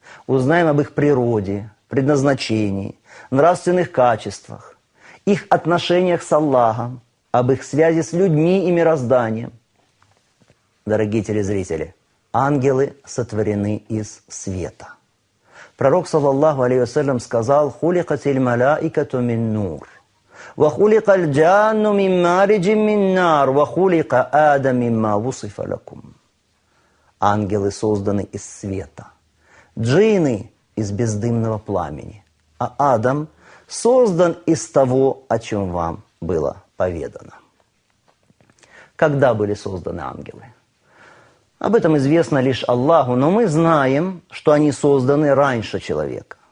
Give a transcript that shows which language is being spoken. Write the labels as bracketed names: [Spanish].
[Russian] Узнаем об их природе, предназначении, нравственных качествах, их отношениях с Аллахом, об их связи с людьми и мирозданием. Дорогие телезрители, ангелы сотворены из света. Пророк, саллаллаху алейхи ва саллям, сказал: [Arabic] «Хулиқатиль малаикату мин нур». وخلق الجان من مارج من نار وخلق آدم مما وصف لكم. [Russian] Ангелы созданы из света, джинны из бездымного пламени, а Адам создан из того, о чем вам было поведано. Когда были созданы ангелы? Об этом известно лишь Аллаху, но мы знаем, что они созданы раньше человека.